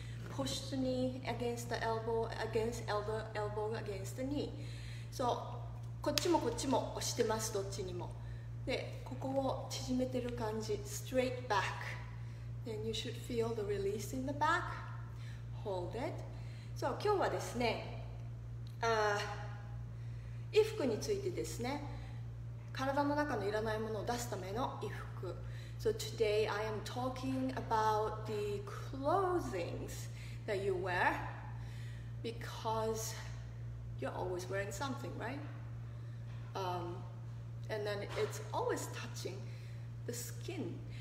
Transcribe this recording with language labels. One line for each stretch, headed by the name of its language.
English: Push the knee against the elbow, against elbow against the knee.
Japanese: So, こっちもこっちも押してます、どっちにも。で、ここを縮めてる感じ、
English: straight back. Then you should feel the release in the back. Hold it.
Japanese: So, 今日はですね、衣服についてですね、体の中のいらないものを出すための衣服。
English: So today I am talking about the clothings that you wear because you're always wearing something, right? And then it's always touching the skin.